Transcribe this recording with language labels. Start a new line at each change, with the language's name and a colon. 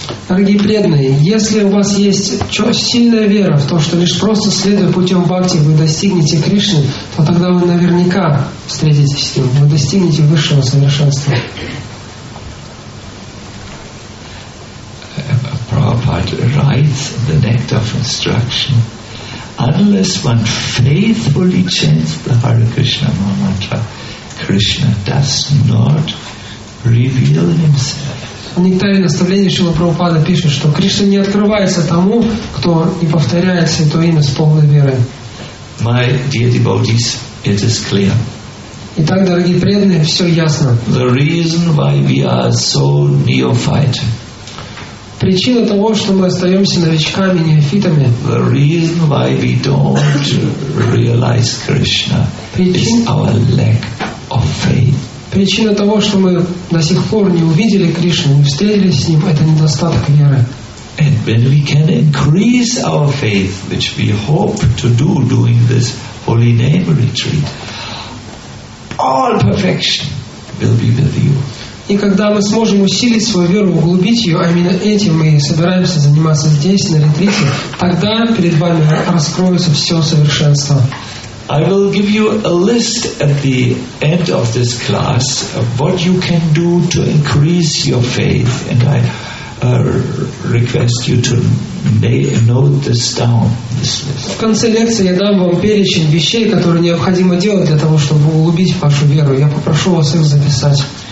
Russian: Дорогие преданные, если у вас есть сильная вера в то, что лишь просто следуя путем бхакти вы достигнете Кришны, то тогда вы наверняка встретитесь с Ним, вы достигнете высшего совершенства.
English: Prabhupada writes in the Nectar of Instruction, unless one faithfully chants the Hare Krishna Mantra, Krishna does not reveal himself.
Russian: В Нектаре наставления Шрила Прабхупада пишет, что Кришна не открывается тому, кто не повторяет Святое Имя с полной верой.
English: My dear devotees, it is clear.
Russian: Итак, дорогие преданные, все ясно.
English: The reason why we are so neophyte.
Russian: Причина того, что мы остаемся новичками, неофитами.
English: The reason why we don't realize Krishna is our lack of faith.
Russian: Причина того, что мы до сих пор не увидели Кришну, не встретились с Ним, это недостаток веры.
English: And when we can increase our faith, which we hope to do during this holy name retreat, all perfection will be with you.
Russian: И когда мы сможем усилить свою веру, углубить ее, а именно этим мы собираемся заниматься здесь, на ретрите, тогда перед вами раскроется все совершенство.
English: I will give you a list at the end of this class of what you can do to increase your faith, and I request you to note this down. This list.
Russian: В конце лекции я дам вам перечень вещей, которые необходимо делать для того, чтобы углубить вашу веру. Я попрошу вас их записать.